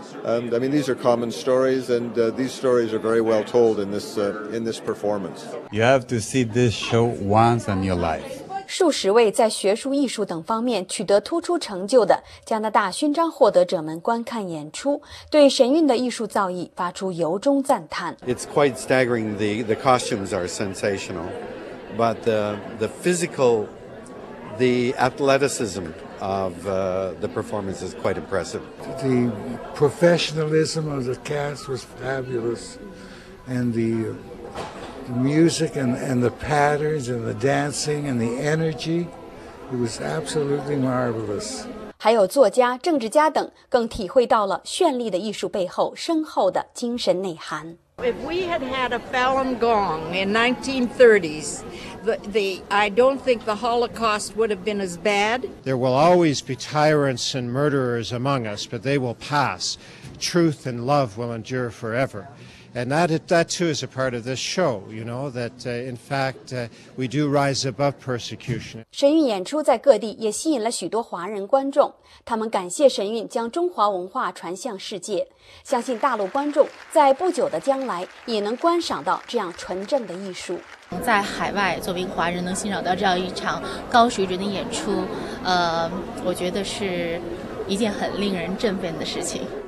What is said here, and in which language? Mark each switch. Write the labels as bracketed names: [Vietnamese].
[English] And, I mean, these are common stories, and these stories are very well told in this performance. You have to see this show once in your life. [Chinese] 数十位在学术、艺术等方面取得突出成就的加拿大勋章获得者们观看演出，对神韵的艺术造诣发出由衷赞叹。 [English] It's quite staggering. The costumes are sensational, but the physical, the athleticism of the performance is quite impressive. The professionalism of the cast was fabulous, and the music and the patterns and the dancing and the energy, it was absolutely marvelous. [Chinese] 还有作家、政治家等更体会到了绚丽的艺术背后深厚的精神内涵。 [English] If we had had a Falun Gong in 1930s, I don't think the Holocaust would have been as bad. There will always be tyrants and murderers among us, but they will pass. Truth and love will endure forever. And that too is a part of this show, you know, that in fact, we do rise above persecution. [Chinese] 神韵演出在各地也吸引了许多华人观众，他们感谢神韵将中华文化传向世界，相信大陆观众在不久的将来也能观赏到这样纯正的艺术。在海外作为华人能欣赏到这样一场高水准的演出，我觉得是一件很令人振奋的事情。